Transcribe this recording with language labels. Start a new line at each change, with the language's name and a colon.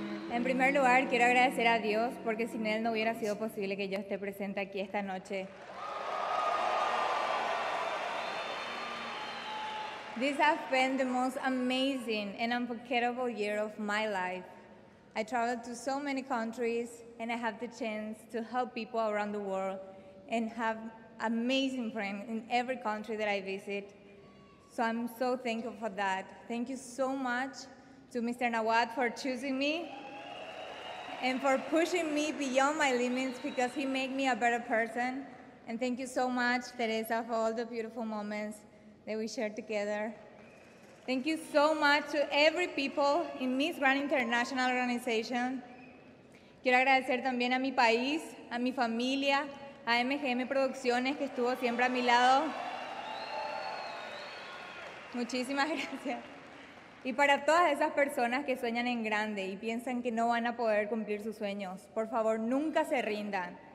Spanish: En primer lugar, quiero agradecer a Dios porque sin Él no hubiera sido posible que yo esté presente aquí esta noche.
English: This has been the most amazing and unforgettable year of my life. I traveled to so many countries and I have the chance to help people around the world and have amazing friends in every country that I visit. So I'm so thankful for that. Thank you so much to Mr. Nawad for choosing me and for pushing me beyond my limits because he made me a better person. And thank you so much, Teresa, for all the beautiful moments that we shared together. Thank you so much to every people in Miss Grand International Organization.
Spanish: Quiero agradecer también a mi país, a mi familia, a MGM Producciones, que estuvo siempre a mi lado. Muchísimas gracias. Y para todas esas personas que sueñan en grande y piensan que no van a poder cumplir sus sueños, por favor, nunca se rindan.